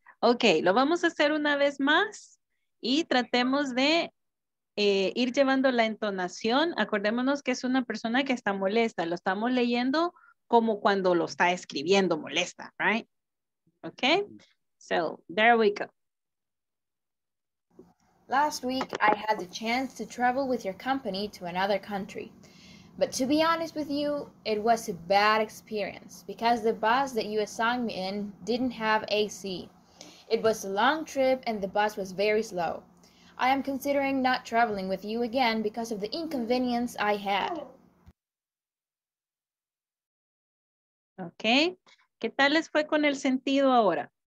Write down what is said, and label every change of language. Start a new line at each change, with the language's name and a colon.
Spanish: Okay, lo vamos a hacer una vez más y tratemos de ir llevando la entonación. Acordémonos que es una persona que está molesta. Lo estamos leyendo como cuando lo está escribiendo molesta, right?
English: Okay, so there we go. Last week, I had the chance to travel with your company to another country. But to be honest with you, it was a bad experience because the bus that you assigned me in didn't have AC. It was a long trip and the bus was very slow. I am considering not traveling with you again because of the inconvenience I had. Okay.
Spanish: ¿Qué tal les fue con el sentido ahora?